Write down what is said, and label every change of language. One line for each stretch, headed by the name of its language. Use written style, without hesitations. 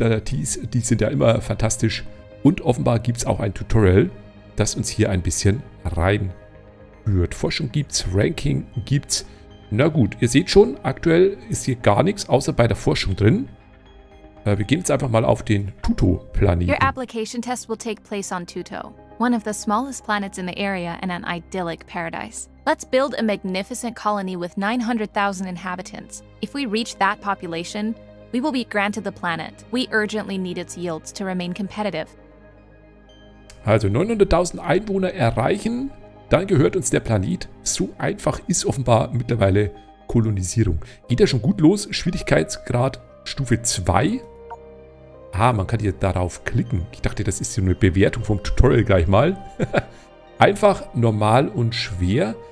German: Die sind ja immer fantastisch. Und offenbar gibt es auch ein Tutorial, das uns hier ein bisschen rein. Forschung gibt's, Ranking gibt's. Na gut, ihr seht schon, aktuell ist hier gar nichts außer bei der Forschung drin. Wir gehen jetzt einfach mal auf den Tuto-Planeten.
English: Your application test will take place on Tuto, one of the smallest planets in the area and an idyllic paradise. Let's build a magnificent colony with 900,000 inhabitants. If we reach that population, we will be granted the planet. We urgently need its yields to remain competitive.
German: Also 900,000 Einwohner erreichen. Dann gehört uns der Planet. So einfach ist offenbar mittlerweile Kolonisierung. Geht ja schon gut los. Schwierigkeitsgrad Stufe 2. Ah, man kann hier darauf klicken. Ich dachte, das ist so eine Bewertung vom Tutorial gleich mal. Einfach, normal und schwer.